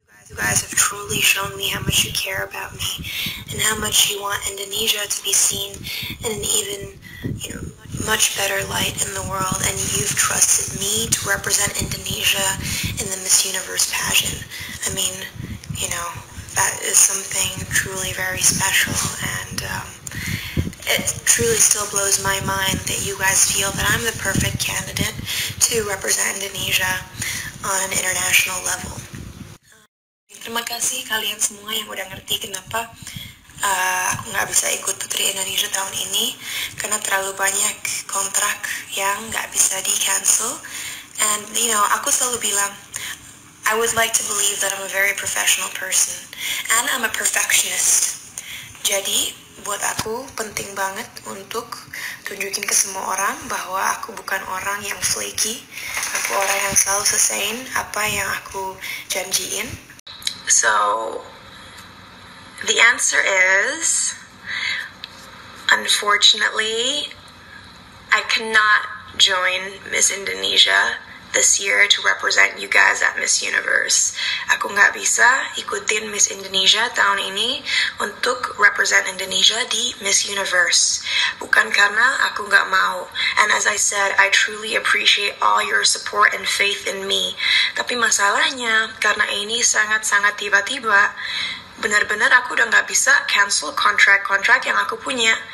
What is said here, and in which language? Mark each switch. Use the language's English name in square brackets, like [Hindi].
[English] You guys have truly shown me how much you care about me and how much you want Indonesia to be seen in an even, you know, much better light in the world, and you've trusted me to represent Indonesia in the Miss Universe pageant. I mean, you know, that is something truly very special, and it truly still blows my mind that you guys feel that I'm the perfect candidate to represent Indonesia on an international level. [Indonesian] Terima kasih kalian semua yang udah ngerti kenapa aku gak bisa ikut Putri Indonesia tahun ini, karena terlalu banyak kontrak yang gak bisa di cancel. [English] And you know, [Indonesian] aku selalu bilang, [English] I would like to believe that I'm a very professional person and I'm a perfectionist. [Indonesian] Jadi buat aku penting banget untuk tunjukin ke semua orang bahwa aku bukan orang yang flaky. Aku orang yang selalu selesaiin apa yang aku janjiin. [English] So, the answer is, unfortunately, I cannot join Miss Indonesia this year to represent you guys at Miss Universe. [Indonesian] Aku nggak bisa ikutin Miss Indonesia tahun ini untuk represent Indonesia di Miss Universe. Bukan karena aku nggak mau. [English] And as I said, I truly appreciate all your support and faith in me. [Indonesian] Tapi masalahnya, karena ini sangat-sangat tiba-tiba, benar-benar aku udah nggak bisa cancel kontrak-kontrak yang aku punya.